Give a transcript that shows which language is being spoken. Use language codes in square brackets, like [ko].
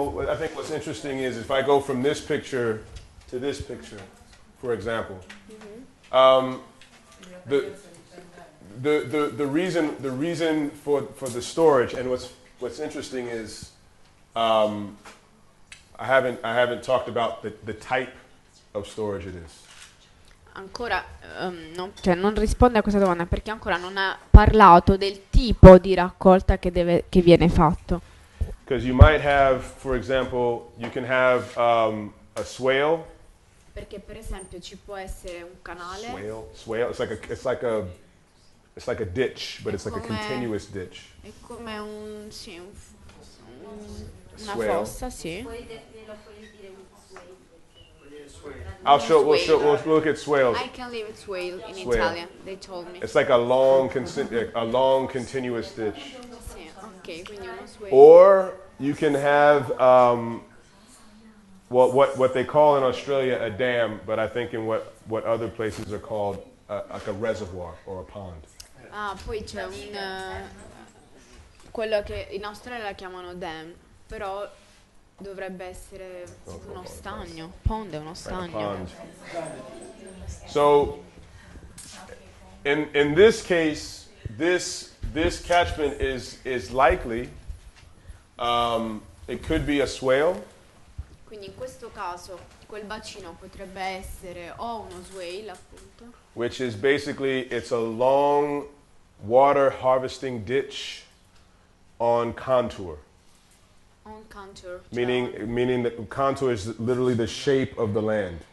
[en] Well, I think what's interesting is if I go from this picture to this picture, for example, the reason for the storage, and what's interesting is, I haven't talked about the type of storage it is. [it] Ancora non risponde a questa domanda perché ancora non ha parlato del tipo di raccolta che viene fatto. [en] Because you might have, for example, you can have a swale. [it] Perché per esempio ci può essere un canale. [en] Swale. It's like a ditch, but it's like a continuous ditch. [it] È come una fossa, sì. [en] We'll look at swales. I can leave it swale in swale. Italian. They told me. It's like a long continuous ditch. [it] Okay, quindi uno swale. [en] Or you can have what they call in Australia a dam, but I think in what other places are called like a reservoir or a pond. [it] Ah, poi c'è un quello che in Australia chiamano dam, però dovrebbe essere uno stagno. Pond è uno stagno. [en] Right, a pond. So in this case, this catchment is likely. It could be a swale. [it] Quindi in questo caso quel bacino potrebbe essere o uno swale, appunto. [en] Which is basically it's a long water harvesting ditch on contour. On contour. Meaning that contour is literally the shape of the land.